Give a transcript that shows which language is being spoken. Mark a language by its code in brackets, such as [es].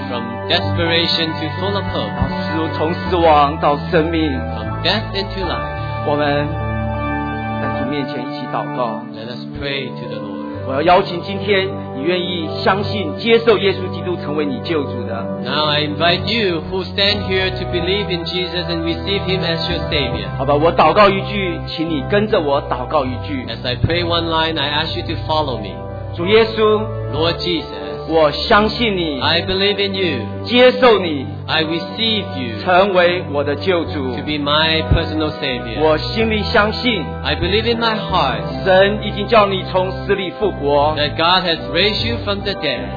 [en] From desperation to full of hope. [zh] 从死亡到生命。 [en] From death into life. [zh] 我们在主面前一起祷告。 [en] Let us pray to the Lord. [zh] 我要邀请今天你愿意相信接受耶稣基督成为你救主的。 [en] Now I invite you who stand here to believe in Jesus and receive him as your savior. [zh] 好吧，我祷告一句，请你跟着我祷告一句。 [en] As I pray one line, I ask you to follow me. [zh] 主耶稣 [en] ，Lord Jesus， [zh] 我相信你 [en] ，I believe in you， [zh] 接受你 [en] ，I receive you， [zh] 成为我的救主 [en] ，to be my personal savior。 [zh] 我心里相信 [en] ，I believe in my heart， [zh] 神已经叫你从死里复活 [en] ，that God has raised you from the dead。